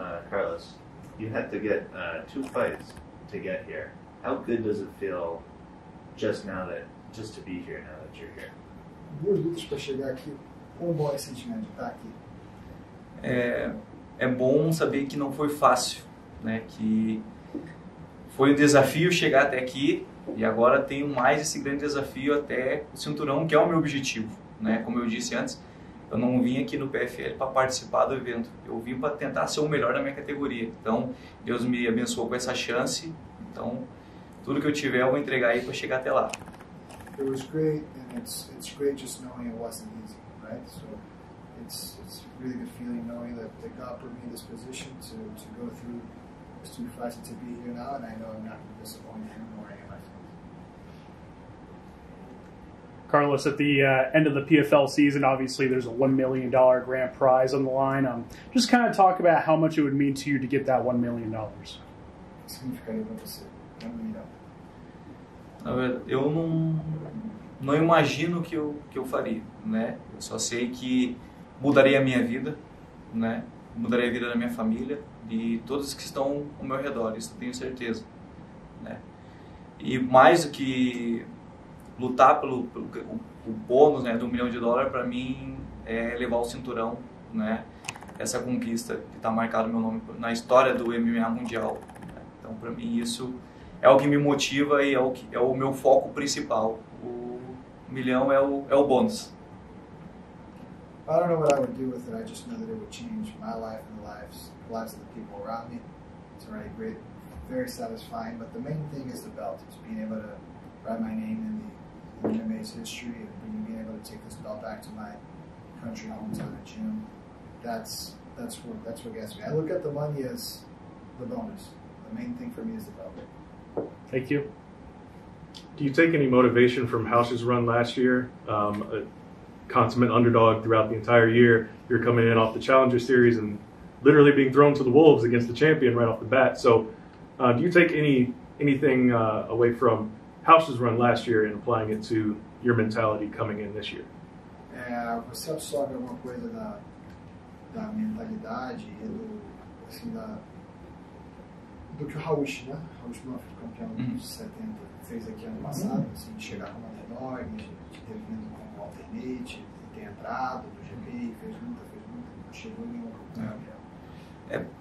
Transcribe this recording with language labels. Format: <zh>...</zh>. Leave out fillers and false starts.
<en>Carlos, you had to get two fights to get here. How good does it feel just to be here now that you're here?</en> <pt>É bom saber que não foi fácil, né? Que foi um desafio chegar até aqui e agora tenho mais esse grande desafio até o cinturão, que é o meu objetivo, né? Como eu disse antes, eu não vim aqui no PFL para participar do evento, eu vim para tentar ser o melhor na minha categoria. Então Deus me abençoou com essa chance. Então tudo que eu tiver eu vou entregar aí para chegar até lá.</pt> <en>It was great, and it's great just knowing it wasn't easy, right? So it's a really good feeling knowing that God put me in this position to go through those two fights and to be here now, and I know I'm not going to disappoint him or any of my friends. Carlos, at the end of the PFL season, obviously there's a $1 million grand prize on the line. Just kind of talk about how much it would mean to you to get that $1 million. Significant amount to say, $1 million.</en> <pt>Eu não imagino o que eu faria, né? Eu só sei que mudaria a minha vida, né? Mudaria a vida da minha família e todos que estão ao meu redor, isso eu tenho certeza, né? E mais do que lutar pelo bônus, né, do $1 million, para mim é levar o cinturão, né? Essa conquista que está marcada no meu nome na história do MMA mundial, né? Então para mim isso é o que me motiva e é o meu foco principal. O milhão é o bônus.</pt> <en>I don't know what I would do with it. I just know that it would change my life and the lives of the people around me. It's already great, very satisfying. But the main thing is the belt. It's being able to write my name in the MMA's history and being able to take this belt back to my country hometown in June. That's what gets me. I look at the money as the bonus. The main thing for me is the belt. Thank you. Do you take any motivation from House's run last year? A consummate underdog throughout the entire year. You're coming in off the Challenger Series and literally being thrown to the wolves against the champion right off the bat. So do you take anything away from House's run last year and applying it to your mentality coming in this year?</en> <pt>Você sabe alguma coisa da mentalidade e do que o Raush, né? O Raush foi campeão dos 70, fez aqui ano passado, assim, de chegar como underdog, de ter vindo como alternate, de ter entrado no GP, fez muita, não chegou nenhum campeão.</pt>